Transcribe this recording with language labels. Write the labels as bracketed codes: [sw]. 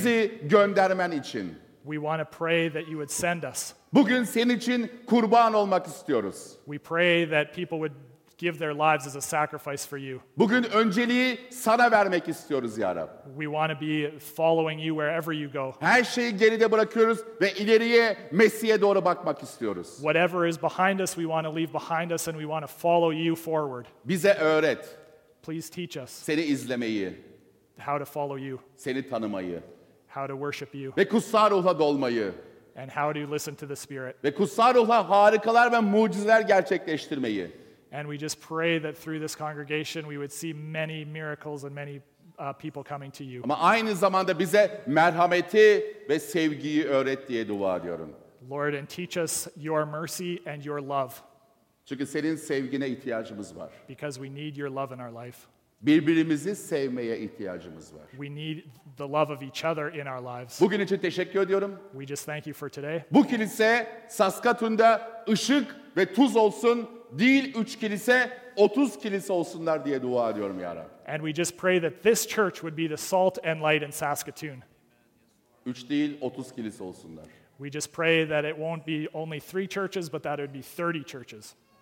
[tr] Bizi göndermen için. [en] We want to pray that you would send us. [tr] Bugün senin için kurban olmak istiyoruz. [en] We pray that people would give their lives as a sacrifice for you. [tr] Bugün önceliği sana vermek istiyoruz ya Rab. [en] We want to be following you wherever you go. [tr] Her şeyi geride bırakıyoruz ve ileriye Mesih'e doğru bakmak istiyoruz. [en] Whatever is behind us, we want to leave behind us and we want to follow you forward. [tr] Bize öğret. [en] Please teach us. [tr] Seni izlemeyi. [en] How to follow you. [tr] Seni tanımayı. [en] How to worship you. [tr] Ve kutsal ruhla dolmayı. [en] And how to listen to the Spirit. [tr] Ve kutsal ruhla harikalar ve mucizeler gerçekleştirmeyi. [en] And we just pray that through this congregation we would see many miracles and many people coming to you. [tr] Ama aynı zamanda bize merhameti ve sevgiyi öğret diye dua ediyorum. [en] Lord, and teach us your mercy and your love. [tr] Çünkü senin sevgine ihtiyacımız var. [en] Because we need your love in our life. [tr] Birbirimizi sevmeye ihtiyacımız var. [en] We need the love of each other in our lives. [tr] Bugün için teşekkür ediyorum. [en] We just thank you for today. [tr] Bu kilise Saskatoon'da ışık ve tuz olsun. Değil 3 kilise, 30 kilise olsunlar diye dua ediyorum ya Rab. [en] And we just pray that this church would be the salt and light in Saskatoon. [tr] 3 değil 30 kilise olsunlar. [en] We just pray that it won't be only 3 churches but that it would be 30 churches.